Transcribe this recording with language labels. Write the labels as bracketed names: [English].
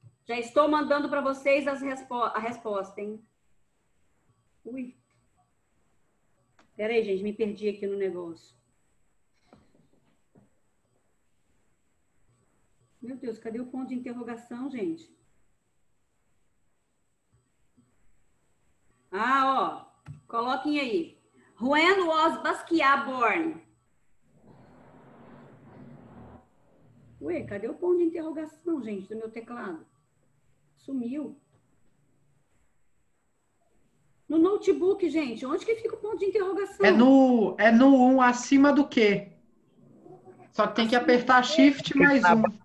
[Portuguese] Já estou mandando para vocês a resposta, hein? Ui. Peraí, gente, me perdi aqui no negócio. Meu Deus, cadê o ponto de interrogação, gente? Ah, ó. Coloquem aí. [English] When was Basquiat born? [Portuguese] Ué, cadê o ponto de interrogação, gente, do meu teclado? Sumiu. No notebook, gente, onde que fica o ponto de interrogação? É no 1, acima do Q. Só que tem que apertar Shift mais 1.